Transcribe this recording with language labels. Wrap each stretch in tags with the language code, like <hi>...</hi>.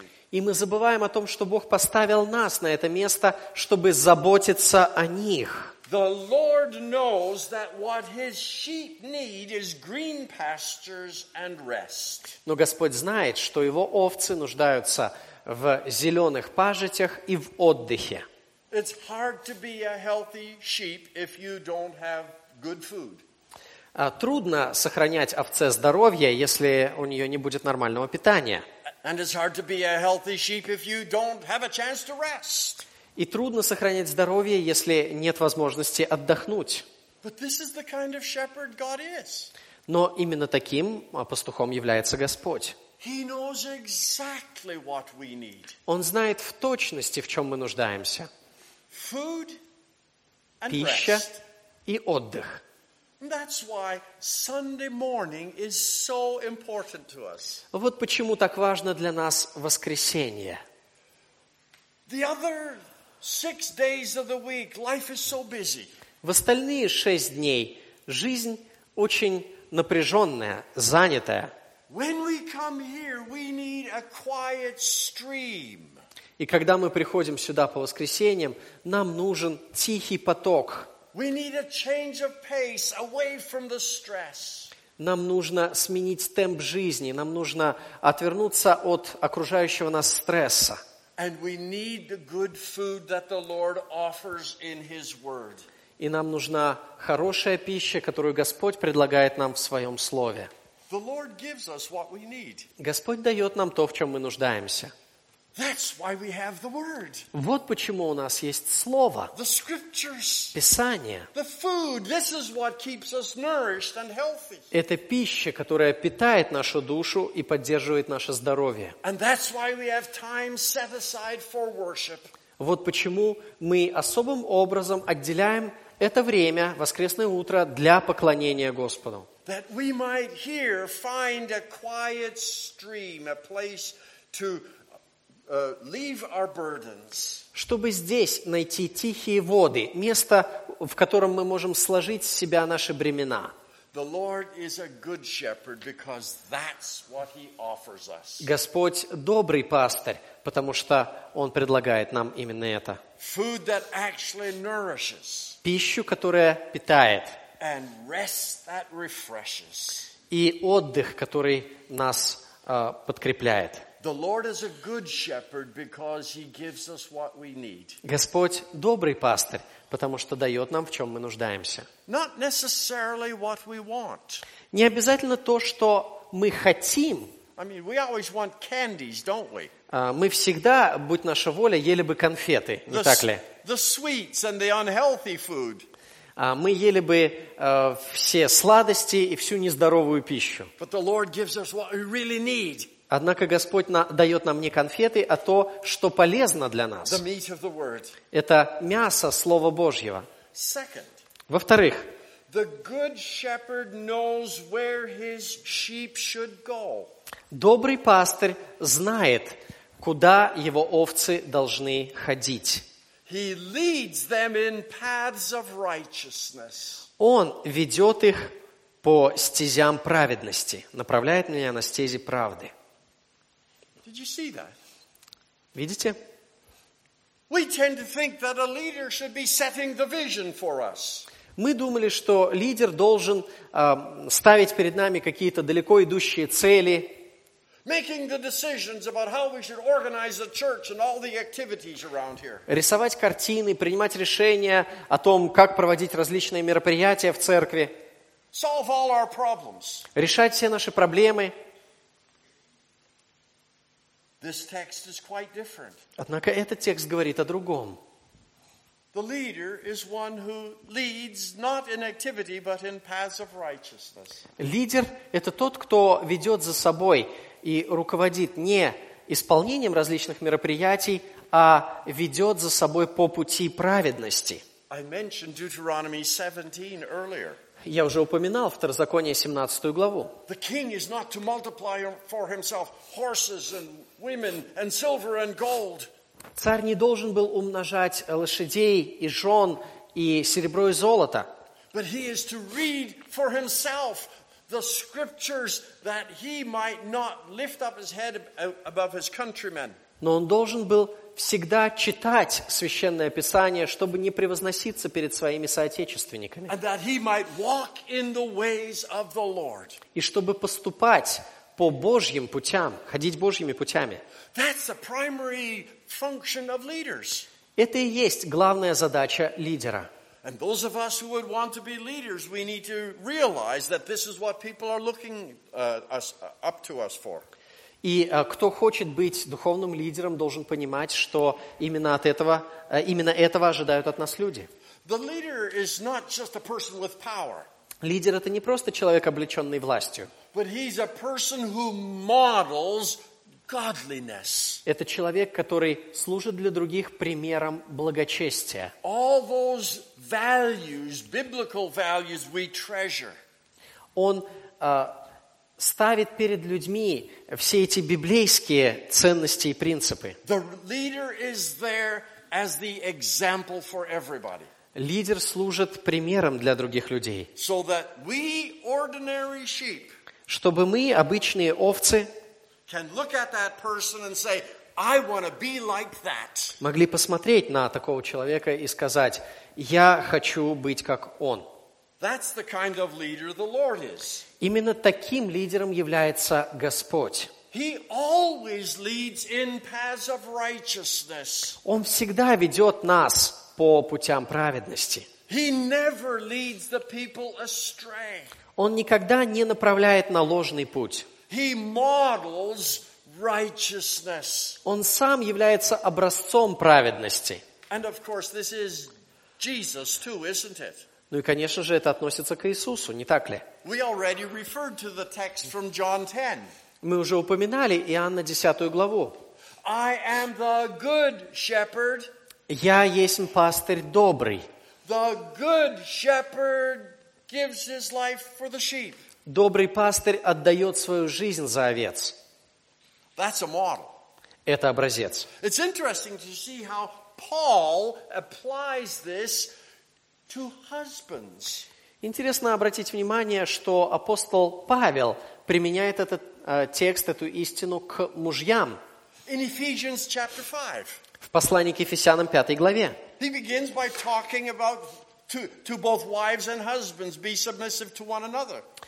<ru>И мы забываем о том, что Бог поставил нас на это место, чтобы заботиться о них.</ru> <en>The Lord knows that what his sheep need is green pastures and rest.</en> <ru>Но Господь знает, что его овцы нуждаются в зеленых пажитях и в отдыхе.</ru> <en>It's hard to be a healthy sheep if you don't have good food.</en> <ru>Трудно сохранять овце здоровье, если у нее не будет нормального питания.</ru> <en>And it's hard to be a healthy sheep if you don't have a chance to rest.</en> <ru>И трудно сохранять здоровье, если нет возможности отдохнуть.</ru> <en>But this is the kind of shepherd God is.</en> <ru>Но именно таким пастухом является Господь.</ru> <en>He knows exactly what we need.</en> <ru>Он знает в точности, в чем мы нуждаемся.</ru> <en>Food and</en> <ru>пища</ru> <en>rest.</en> <ru>И отдых.</ru> <en>That's why Sunday morning is so important to us.</en> <ru>Вот почему так важно для нас воскресенье.</ru> <en>The other six days of the week, life is so busy.</en> <ru>В остальные шесть дней жизнь очень напряженная, занятая.</ru> <en>When we come here, we need a quiet stream.</en> <ru>И когда мы приходим сюда по воскресеньям, нам нужен тихий поток.</ru> <en>We need a change of pace away from the stress.</en> <ru>Нам нужно сменить темп жизни, нам нужно отвернуться от окружающего нас стресса.</ru> <en>And we need the good food that the Lord offers in His Word.</en> <ru>И нам нужна хорошая пища, которую Господь предлагает нам в Своем Слове.</ru> <en>The Lord gives us what we need.</en> <ru>Господь дает нам то, в чем мы нуждаемся.</ru> <en>That's why we have the Word.</en> <ru>Вот почему у нас есть Слово.</ru> <en>The Scriptures.</en> <ru>Писание.</ru> <en>The food. This is what keeps us nourished and healthy.</en> <ru>Это пища, которая питает нашу душу и поддерживает наше здоровье.</ru> <en>And that's why we have time set aside for worship.</en> <ru>Вот почему мы особым образом отделяем это время, воскресное утро, для поклонения Господу.</ru> <en>That we might here find a quiet stream, a place to leave our burdens.</en> <ru>Чтобы здесь найти тихие воды, место, в котором мы можем сложить с себя наши бремена.</ru> <en>The Lord is a good shepherd because that's what He offers us.</en> <ru>Господь добрый пастырь, потому что Он предлагает нам именно это.</ru> <en>Food that actually nourishes.</en> <ru>Пищу, которая питает.</ru> <en>And rest that refreshes.</en> <ru>И отдых, который нас подкрепляет.</ru> <en>The Lord is a good shepherd because He gives us what we need.</en> <ru>Господь добрый пастырь, потому что дает нам, в чем мы нуждаемся.</ru> <en>Not necessarily what we want.</en> <ru>Не обязательно то, что мы хотим.</ru> <en>I mean, we always want candies, don't we?</en> <ru>Мы всегда, будь наша воля, ели бы конфеты, не так ли?</ru> <en>The sweets and the unhealthy food.</en> <ru>Мы ели бы все сладости и всю нездоровую пищу.</ru> <en>But the Lord gives us what we really need.</en> <ru>Однако Господь дает нам не конфеты, а то, что полезно для нас.</ru> <en>The meat of the word.</en> <ru>Это мясо Слова Божьего.</ru> <en>Second,</en> <ru>во-вторых,</ru> <en>the good shepherd knows where his sheep should go.</en> <ru>Добрый пастырь знает, куда его овцы должны ходить.</ru> <en>He leads them in paths of righteousness.</en> <ru>Он ведет их по стезям праведности, направляет меня на стези правды.</ru> <en>Did you see that?</en> <ru>Видите?</ru> <en>We tend to think that a leader should be setting the vision for us.</en> <ru>Мы думали, что лидер должен ставить перед нами какие-то далеко идущие цели.</ru> <en>Making the decisions about how we should organize the church and all the activities around here.</en> <ru>Рисовать картины, принимать решения о том, как проводить различные мероприятия в церкви.</ru> <en>Solve all our problems.</en> <ru>Решать все наши проблемы.</ru> <en>This text is quite different.</en> <ru>Однако этот текст говорит о другом.</ru> <en>The leader is one who leads not in activity, but in paths of righteousness.</en> <ru>Лидер – это тот, кто ведет за собой и руководит не исполнением различных мероприятий, а ведет за собой по пути праведности.</ru> <en>I mentioned Deuteronomy 17 earlier.</en> <ru>Я уже упоминал Второзаконие 17 главу.</ru> <en>The king is not to multiply for himself horses and women and silver and gold.</en> <ru>Царь не должен был умножать лошадей и жен и серебро и золото.</ru> <en>But he is to read for himself the scriptures that he might not lift up his head above his countrymen.</en> <ru>Но он должен был всегда читать Священное Писание, чтобы не превозноситься перед своими соотечественниками.</ru> <en>And that he might walk in the ways of the Lord.</en> <ru>И чтобы поступать по Божьим путям, ходить Божьими путями.</ru> <en>That's the primary function of leaders.</en> <ru>Это и есть главная задача лидера.</ru> <en>And those of us who would want to be leaders, we need to realize that this is what people are looking up to us for.</en> <ru>И кто хочет быть духовным лидером, должен понимать, что именно от этого, именно этого ожидают от нас люди.</ru> <en>The leader is not just a person with power.</en> <ru>Лидер – это не просто человек, облеченный властью.</ru> <en>But he's a person who models godliness.</en> <ru>Это человек, который служит для других примером благочестия.</ru> <en>All those values, biblical values, we treasure.</en> <ru>Он ставит перед людьми все эти библейские ценности и принципы.</ru> <en>The leader is there as the example for everybody.</en> <ru>Лидер служит примером для других людей.</ru> <en>So that we, ordinary sheep,</en> <ru>чтобы мы, обычные овцы,</ru> <en>can look at that person and say, I want to be like that.</en> <ru>Могли посмотреть на такого человека и сказать, я хочу быть как он.</ru> <en>That's the kind of leader the Lord is.</en> <ru>Именно таким лидером является Господь.</ru> <en>He always leads in paths of righteousness.</en> <ru>Он всегда ведет нас по путям праведности.</ru> <en>He never leads the people astray.</en> <ru>Он никогда не направляет на ложный путь.</ru> <en>He models righteousness.</en> <ru>Он сам является образцом праведности.</ru> <en>And of course, this is Jesus too, isn't it?</en> <ru>Ну и, конечно же, это относится к Иисусу, не так ли?</ru> <en>We already referred to the text from John 10.</en> <ru>Мы уже упоминали Иоанна 10 главу.</ru> <en>I am the good shepherd.</en> <ru>Я есть пастырь добрый.</ru> <en>The good shepherd gives his life for the sheep.</en> <ru>Добрый пастырь отдает свою жизнь за овец.</ru> <en>That's a model.</en> <ru>Это образец.</ru> <en>It's interesting to see how Paul applies this to husbands.</en> <ru>Интересно обратить внимание, что апостол Павел применяет этот текст, эту истину к мужьям.</ru> <en>In Ephesians chapter 5.</en> <ru>В послании к Ефесянам 5 главе.</ru> <en>He begins by talking about to both wives and husbands be submissive to one another.</en>